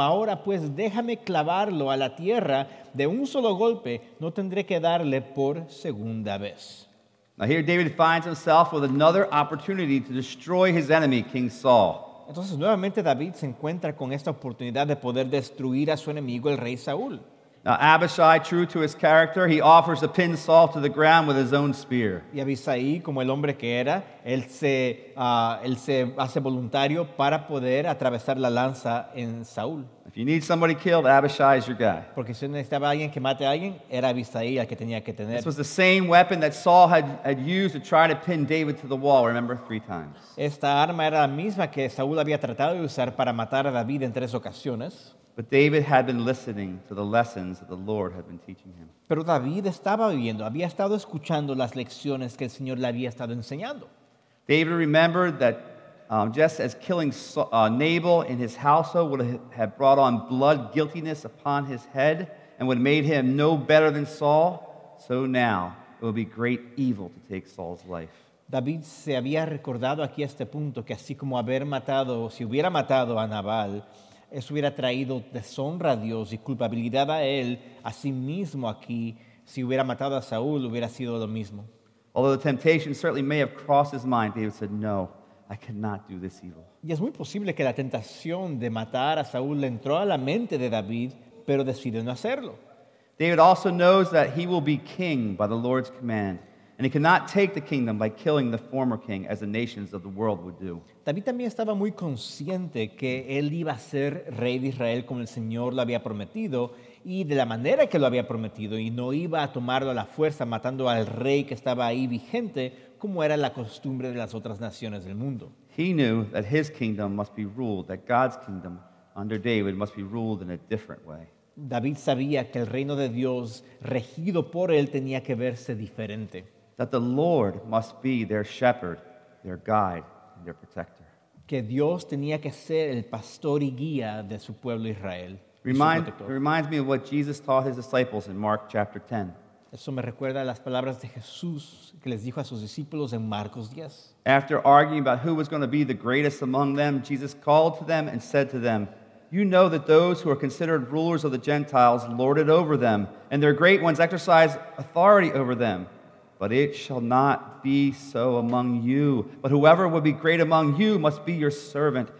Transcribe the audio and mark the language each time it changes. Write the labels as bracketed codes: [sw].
[es] Ahora, pues, déjame clavarlo a la tierra de un solo golpe. No tendré que darle por segunda vez. [en] Now here David finds himself with another opportunity to destroy his enemy, King Saul. [es] Entonces, nuevamente David se encuentra con esta oportunidad de poder destruir a su enemigo, el rey Saúl. [en] Now Abishai, true to his character, he offers to pin Saul to the ground with his own spear. [es] Y Abisai, como el hombre que era, él se hace voluntario para poder atravesar la lanza en Saúl. [en] If you need somebody killed, Abishai is your guy. [es] Porque si necesitaba alguien que mate a alguien, era Abisai el que tenía que tener. [en] This was the same weapon that Saul had used to try to pin David to the wall. Remember, 3 times. [es] Esta arma era la misma que Saúl había tratado de usar para matar a David en 3 ocasiones. [en] But David had been listening to the lessons that the Lord had been teaching him. [es] Pero David estaba oyendo, había estado escuchando las lecciones que el Señor le había estado enseñando. [en] David remembered that just as killing Nabal in his household would have brought on blood guiltiness upon his head and would have made him no better than Saul, so now it would be great evil to take Saul's life. [es] David se había recordado aquí a este punto que así como haber matado, si hubiera matado a Nabal, eso hubiera traído deshonra a Dios y culpabilidad a él, a sí mismo aquí, si hubiera matado a Saúl, hubiera sido lo mismo. [en] Although the temptation certainly may have crossed his mind, David said, "No, I cannot do this evil." [es] Y es muy posible que la tentación de matar a Saúl le entró a la mente de David, pero decidió no hacerlo. [en] David also knows that he will be king by the Lord's command. And he cannot take the kingdom by killing the former king as the nations of the world would do. [es] David también estaba muy consciente que él iba a ser rey de Israel como el Señor lo había prometido, y de la manera que lo había prometido, y no iba a tomarlo a la fuerza matando al rey que estaba ahí vigente, como era la costumbre de las otras naciones del mundo. [en] He knew that his kingdom must be ruled, that God's kingdom under David must be ruled in a different way. [es] David sabía que el reino de Dios regido por él tenía que verse diferente. [en] That the Lord must be their shepherd, their guide, and their protector. [es] Que Dios tenía que ser el pastor y guía de su pueblo Israel. [en] Reminds me of what Jesus taught his disciples in Mark chapter 10. [es] Eso me recuerda a las palabras de Jesús que les dijo a sus discípulos en Marcos 10. [en] After arguing about who was going to be the greatest among them, Jesus called to them and said to them, "You know that those who are considered rulers of the Gentiles lord it over them, and their great ones exercise authority over them. But it shall not be so among you. But whoever would be great among you must be your servant.